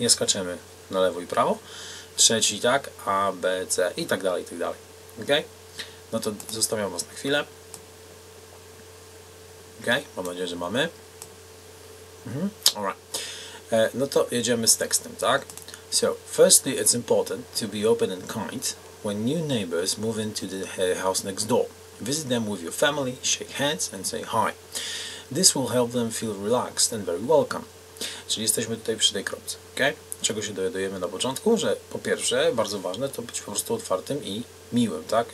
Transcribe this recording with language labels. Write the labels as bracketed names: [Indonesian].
[Polish] Nie skaczemy na lewo i prawo. Trzeci, tak? A, B, C i tak dalej, ok? No to zostawiam was na chwilę. Ok? Mam nadzieję, że mamy. No to jedziemy z tekstem, tak? [English] So, firstly, it's important to be open and kind when new neighbors move into the house next door. Visit them with your family, shake hands and say hi. This will help them feel relaxed and very welcome. [Polish] Czyli jesteśmy tutaj przy tej kropce, ok? Czego się dowiadujemy na początku? Że po pierwsze, bardzo ważne, to być po prostu otwartym i miłym, tak?